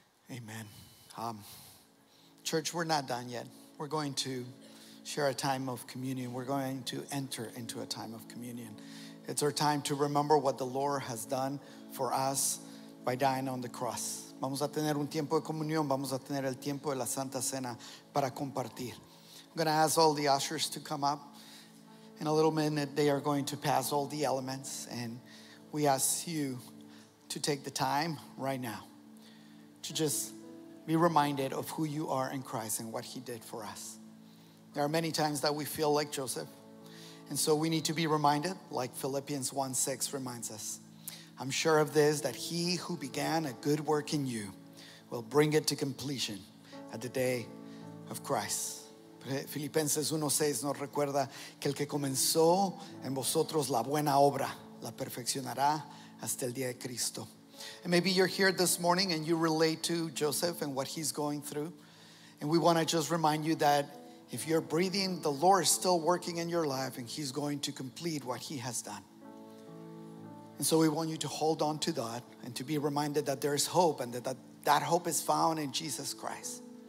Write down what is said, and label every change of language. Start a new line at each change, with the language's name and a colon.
English: Amen. Church, we're not done yet. We're going to share a time of communion. We're going to enter into a time of communion. It's our time to remember what the Lord has done for us by dying on the cross.
Spanish: Vamos a tener un tiempo de comunión. Vamos a tener el tiempo de la Santa Cena para compartir.
English: I'm going to ask all the ushers to come up. In a little minute, they are going to pass all the elements. And we ask you to take the time right now to just be reminded of who you are in Christ and what he did for us. There are many times that we feel like Joseph, and so we need to be reminded, like Philippians 1:6 reminds us. I'm sure of this, that he who began a good work in you will bring it to completion at the day of Christ.
Spanish: Filipenses 1:6 nos recuerda que el que comenzó en vosotros la buena obra la perfeccionará hasta el día de Cristo.
English: And maybe you're here this morning and you relate to Joseph and what he's going through. And we want to just remind you that if you're breathing, the Lord is still working in your life and he's going to complete what he has done. And so we want you to hold on to that and to be reminded that there is hope and that hope is found in Jesus Christ.